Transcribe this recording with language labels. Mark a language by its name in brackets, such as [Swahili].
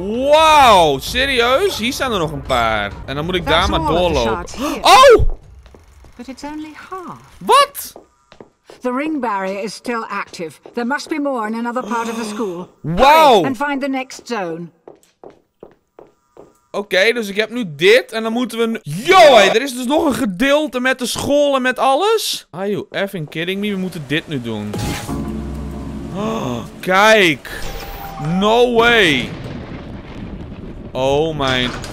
[Dutch] Wauw, serieus? Hier staan er nog een paar. En dan moet ik daar maar doorlopen. Oh! [English] But it's only half. [Dutch] Wat? [English] The ring barrier is still active. There must be more in another part of the school. Wow! And find the next zone. [Dutch] Oké, dus ik heb nu dit en dan moeten we... Yo, er is dus nog een gedeelte met de school en met alles. [English] Are you effing kidding me? [Dutch] We moeten dit nu doen. Oh, kijk. [English] No way. [Dutch] Oh mijn...